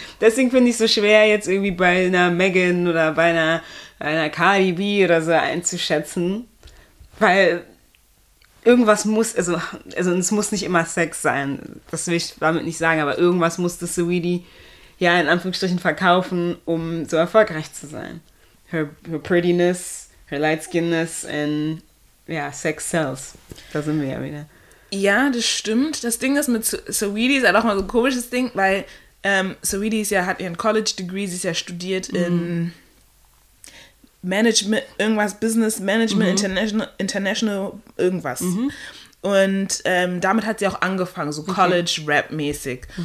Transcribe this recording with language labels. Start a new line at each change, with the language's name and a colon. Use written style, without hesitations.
German: Deswegen finde ich es so schwer, jetzt irgendwie bei einer Megan oder bei einer Cardi B oder so einzuschätzen, weil irgendwas muss, also es muss nicht immer Sex sein, das will ich damit nicht sagen, aber irgendwas musste Saweetie ja in Anführungsstrichen verkaufen, um so erfolgreich zu sein.
English: Her prettiness, her light skinness and yeah, sex sells.
German: Da sind wir ja wieder. Ja, das stimmt. Das Ding ist mit Saweetie ist halt auch mal so ein komisches Ding, weil Saweetie ist ja, hat ihren College Degree, sie ist ja studiert in Management, irgendwas, Business Management, International, irgendwas. Und damit hat sie auch angefangen, so College-Rap-mäßig.